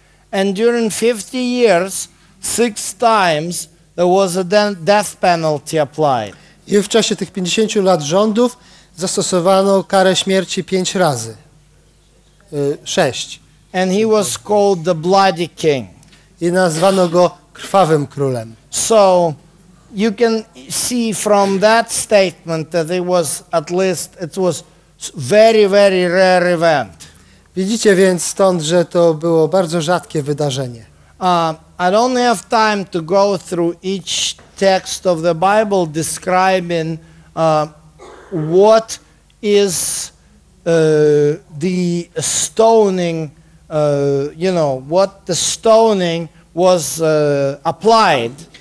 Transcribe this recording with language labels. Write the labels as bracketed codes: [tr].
[en] And during 50 years, six times there was a death penalty applied. [pl] I w czasie tych 50 lat rządów zastosowano karę śmierci 5 razy. [en] 6. And he was called the bloody king. [pl] I nazwano go krwawym królem. [en] So you can see from that statement that it was at least it was very very rare event. [pl] Widzicie więc stąd, że to było bardzo rzadkie wydarzenie. [en] I don't have time to go through each text of the Bible describing what is the stoning, you know, what the stoning was applied.